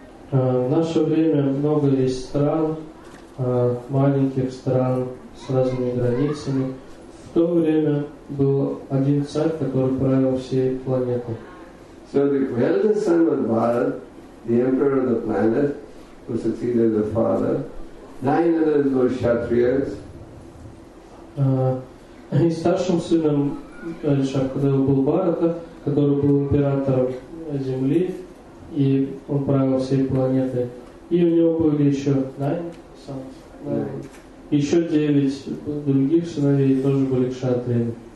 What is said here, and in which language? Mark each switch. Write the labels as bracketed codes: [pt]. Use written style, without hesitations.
[ru] В наше время много есть стран, маленьких стран с разными границами. В то время был один царь, который правил всей планетой. [en] So the eldest son was Bharat, the emperor of the planet, who succeeded the father. 9 others were Kshatriyas. [ru] И старшим сыном Кшатриев был Бхарата, который был императором Земли, и он правил всей планетой. И у него были еще 9 еще 9 других сыновей тоже были кшатриями.